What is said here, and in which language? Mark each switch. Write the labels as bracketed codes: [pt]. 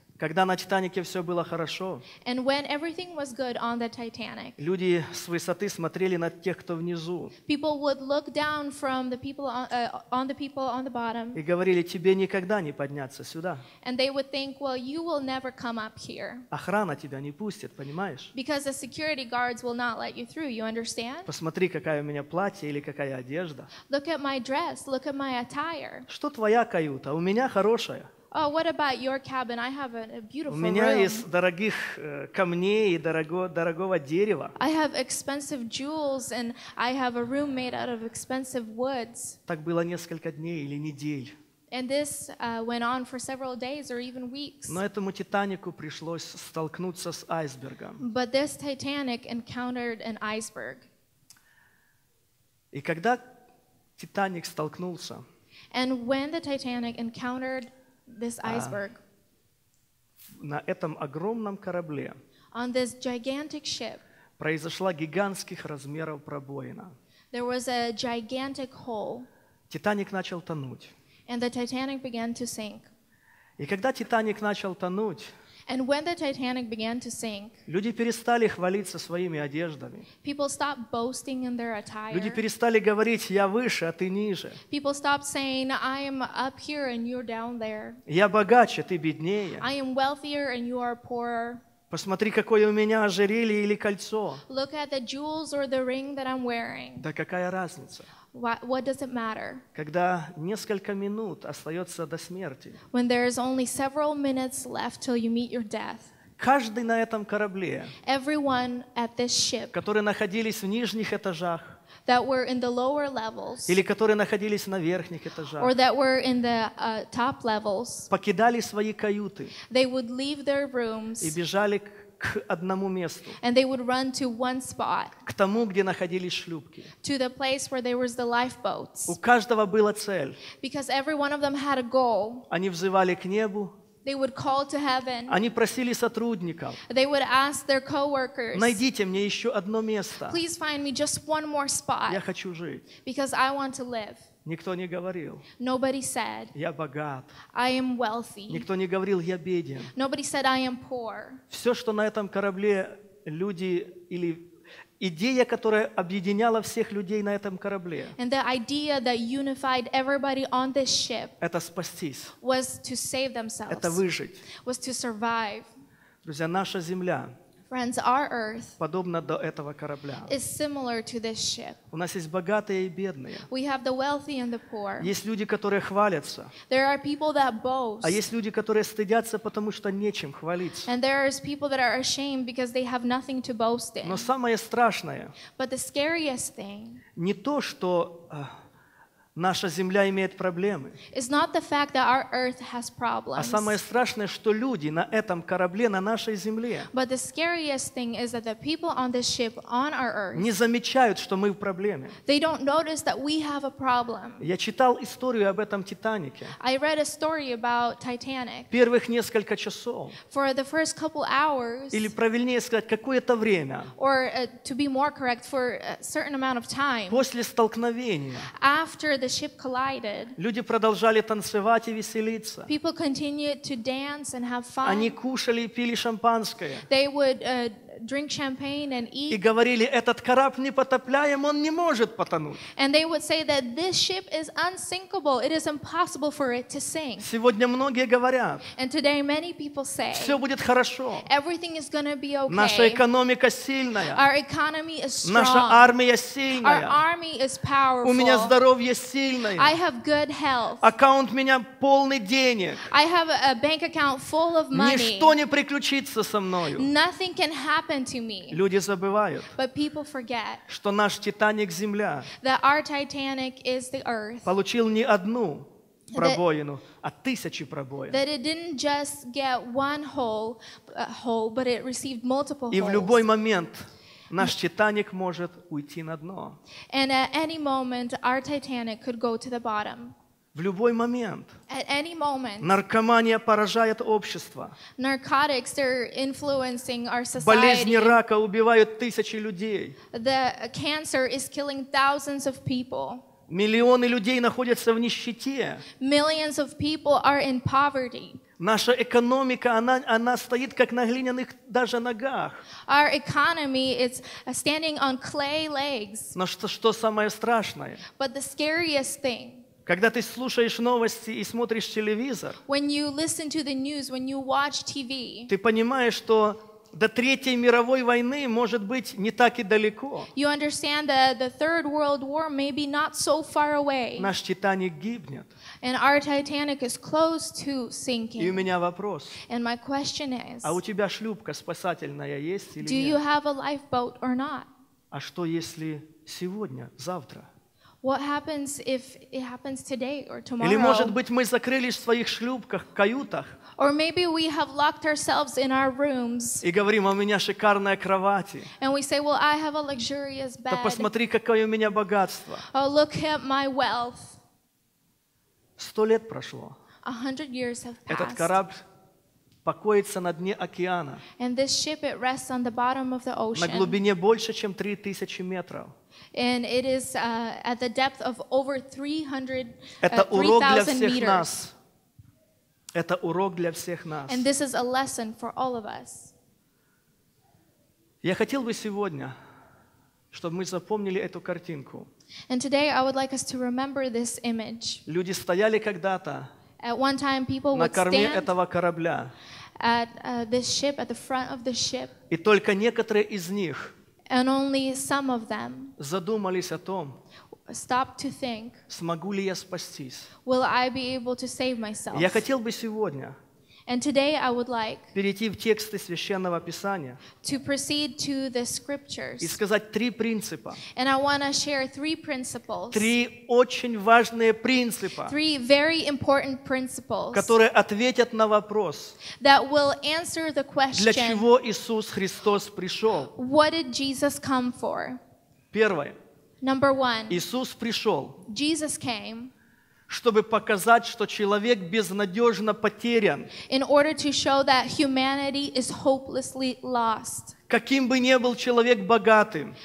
[ru] Когда на Титанике все было хорошо. [en] And when everything was good on the Titanic. [ru] Люди с высоты смотрели на тех, кто внизу. [en] People would look down from the people on the people on the bottom. [ru] И говорили: тебе никогда не подняться сюда. [en] And they would think, well, you will never come up here. [ru] Охрана тебя не пустит, понимаешь? [en] Because the security guards will not let you through. You understand? [ru] Посмотри, какая у меня платье или какая одежда. [en] Look at my dress. Look at my attire. [ru] Что твоя каюта? У меня хорошая. [en] Oh, what about your cabin? I have a beautiful room. [ru] У меня есть дорогих камней и дорогого дерева. [en] I have expensive jewels and I have a room made out of expensive woods. [ru] Так было несколько дней или недель. [en] And this went on for several days or even weeks. [ru] Но этому Титанику пришлось столкнуться с айсбергом. [en] But this Titanic encountered an iceberg. [ru] И когда Титаник столкнулся, [en] and when the Titanic encountered this iceberg. [ru] На этом огромном корабле. [en] On this gigantic ship. [ru] Произошла гигантских размеров пробоина. [en] There was a gigantic hole. [ru] Титаник начал тонуть. [en] And the Titanic began to sink. [ru] И когда Титаник начал тонуть, [en] and when the Titanic began to sink, [ru] люди перестали хвалиться своими одеждами. [en] People stopped boasting in their attire. [ru] Люди перестали говорить: я выше, а ты ниже. [en] People stopped saying, I am up here and you're down there. [ru] Я богаче, ты беднее. [en] I am wealthier and you are poorer. [ru] Посмотри, какое у меня ожерелье или кольцо. [en] Look at the jewels or the ring that I'm wearing. [ru] Да какая разница? [en] What does it matter? [ru] Когда несколько минут остается до смерти. [en] When there is only several minutes left till you meet your death. [ru] Каждый на этом корабле. [en] Everyone at this ship. [ru] Которые находились в нижних этажах. [en] That were in the lower levels. [ru] Или которые находились на верхних этажах. [en] Or that were in the top levels. [ru] Покидали свои каюты. [en] They would leave their rooms. [ru] И бежали к одному месту. [en] And they would run to one spot. [ru] К тому, где находились шлюпки. [en] To the place where there was the lifeboats. [ru] У каждого была цель. [en] Because every one of them had a goal. [ru] Они взывали к небу. [en] They would call to heaven. [ru] Они просили сотрудников. [en] They would ask their coworkers. [ru] Найдите мне еще одно место. [en] Please find me just one more spot. [ru] Я хочу жить. [en] Because I want to live. [ru] Никто не говорил. [en] Nobody said. [ru] Я богат. [en] I am wealthy. [ru] Никто не говорил, я беден. [en] Nobody said, I am poor. [ru] Все, что на этом корабле люди или идея, которая объединяла всех людей на этом корабле. [en] And the idea that unified everybody on this ship. [ru] Это спастись. [en] Was to save themselves. [ru] Это выжить. [en] Was to survive. [ru] Друзья, наша земля. [en] Friends, our earth [ru] подобно до этого корабля. [en] Is similar to this ship. [ru] У нас есть богатые и бедные. [en] We have the wealthy and the poor. [ru] Есть люди, которые хвалятся. [en] There are people that boast. [ru] А есть люди, которые стыдятся, потому что нечем хвалиться. [en] And there are people that are ashamed because they have nothing to boast in. [ru] Но самое страшное. [en] But the scariest thing. [ru] Не то, что наша земля имеет проблемы. [en] It's not the fact that our earth has problems. [ru] А самое страшное, что люди на этом корабле, на нашей земле. [en] But the scariest thing is that the people on this ship, on our earth, [ru] не замечают, что мы в проблеме. [en] They don't notice that we have a problem. [ru] Я читал историю об этом Титанике. [en] I read a story about Titanic. [ru] Первых несколько часов. [en] For the first couple hours. [ru] Или правильнее сказать, какое-то время. [en] Or to be more correct, for a certain amount of time. [ru] После столкновения. [en] After the ship collided. [ru] Люди продолжали танцевать и веселиться. [en] People continued to dance and have fun. [ru] Они кушали и пили шампанское. [en] They would drink champagne and eat. [ru] И говорили, этот корабль непотопляем, он не может потонуть. [en] And they would say that this ship is unsinkable. It is impossible for it to sink. [ru] Сегодня многие говорят. [en] And today many people say. [ru] Все будет хорошо. [en] Everything is going to be okay. [ru] Наша экономика сильная. [en] Our economy is strong. [ru] Наша армия сильная. [en] Our army is powerful. [ru] У меня здоровье сильное. [en] I have good health. [ru] Аккаунт меня полный денег. [en] I have a bank account full of money. [ru] Ничто не приключится со мною. [en] Nothing can happen to me. [ru] Люди забывают, [en] but people forget, [ru] что наш Титаник земля, [en] that our Titanic is the earth, [ru] получил не одну пробоину, that, а тысячи пробоин. [en] That it didn't just get one hole, but it received multiple holes. [ru] И в любой момент наш Титаник может уйти на дно. [en] And at any moment our Titanic could go to the bottom. [ru] В любой момент. [en] At any moment, [ru] наркомания поражает общество. [en] Narcotics, they're influencing our society. [ru] Болезни рака убивают тысячи людей. [en] The cancer is killing thousands of people. [ru] Миллионы людей находятся в нищете. [en] Millions of people are in poverty. [ru] Наша экономика, она стоит как на глиняных даже ногах. [en] Our economy is standing on clay legs. [ru] Но что самое страшное? [en] But the scariest thing. [ru] Когда ты слушаешь новости и смотришь телевизор, [en] when you listen to the news, when you watch TV, [ru] ты понимаешь, что до Третьей мировой войны может быть не так и далеко. [en] You understand that the Third World War may be not so far away. [ru] Наш Титаник гибнет. [en] And our Titanic is close to sinking. [ru] И у меня вопрос. [en] And my question is, [ru] а у тебя шлюпка спасательная есть или нет? [en] Do you have a lifeboat or not? [ru] А что если сегодня, завтра? [en] What happens if it happens today or tomorrow? [ru] Или может быть мы закрылись в своих шлюпках, каютах? [en] Or maybe we have locked ourselves in our rooms. [ru] И говорим, у меня шикарная кровать. [en] And we say, well, I have a luxurious bed. [ru] Да посмотри, какое у меня богатство. [en] Oh, look at my wealth. [ru] 100 лет прошло. [en] 100 years have passed. [ru] Этот корабль покоится на дне океана. [en] And this ship, it rests on the bottom of the ocean. [ru] На глубине больше, чем 3000 метров. [en] And it is at the depth of over 300, 3,000 meters. [ru] Это урок для всех нас. [en] And this is a lesson for all of us. [ru] Я хотел бы сегодня, чтобы мы запомнили эту картинку. [en] And today I would like us to remember this image. [ru] Люди стояли когда-то [en] at one time people [ru] на корме этого корабля. [en] At this ship, at the front of the ship. [ru] И только некоторые из них. [en] And only some of them [ru] задумались о том, [en] stopped to think, [ru] смогу ли я спастись? [en] Will I be able to save myself? [ru] Я хотел бы сегодня, [en] and today I would like, [ru] перейти в тексты Священного Писания, [en] to proceed to the scriptures, [ru] и сказать три принципа, [en] and I want to share three principles, [ru] три очень важные принципа, [en] three very important principles, [ru] которые ответят на вопрос, [en] that will answer the question, [ru] для чего Иисус Христос пришел? [en] What did Jesus come for? [ru] Первое. [en] Number one. [ru] Иисус пришел, [en] Jesus came, [ru] чтобы показать, что человек безнадежно потерян. [en] In order to show that humanity is hopelessly lost. [ru] Каким бы ни был человек богатым.